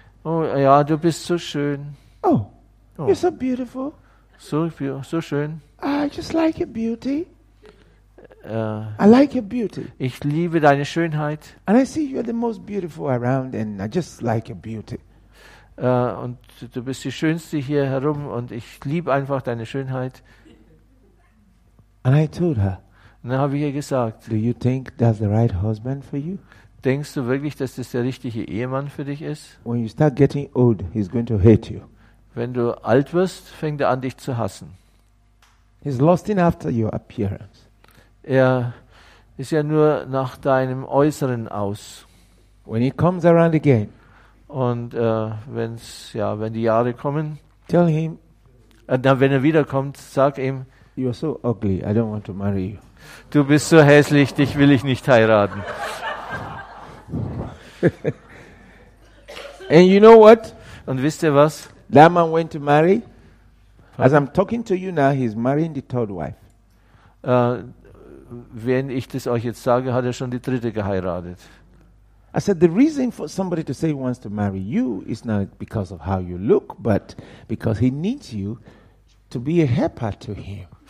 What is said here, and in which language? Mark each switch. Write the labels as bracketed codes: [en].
[de] Oh ja, du bist so schön. [en] Oh, you're so beautiful. [de] So schön. [en] I just like your beauty. I like your beauty. [de] Ich liebe deine Schönheit. [en] And I see you are the most beautiful around, and I just like your beauty. [de] Und du bist die Schönste hier herum, und ich liebe einfach deine Schönheit. [en] And I told her. [de] Und dann habe ich ihr gesagt. [en] Do you think that's the right husband for you? [de] Denkst du wirklich, dass das der richtige Ehemann für dich ist? [en] When you start getting old, he's going to hate you. [de] Wenn du alt wirst, fängt er an, dich zu hassen. [en] He's lusting after your appearance. [de] Er ist ja nur nach deinem Äußeren aus. [en] When he comes around again, [de] und wenn die Jahre kommen, [en] tell him, [de] wenn er wiederkommt, sag ihm, [en] you are so ugly, I don't want to marry you. [de] Du bist so hässlich, dich will ich nicht heiraten. [en] And you know what? [de] Und wisst ihr was? [en] That man went to marry. As I'm talking to you now, he's marrying the third wife. [de] Wenn ich das euch jetzt sage, hat er schon die dritte geheiratet. [en] I said the reason for somebody to say he wants to marry you is not because of how you look, but because he needs you to be a helper to him.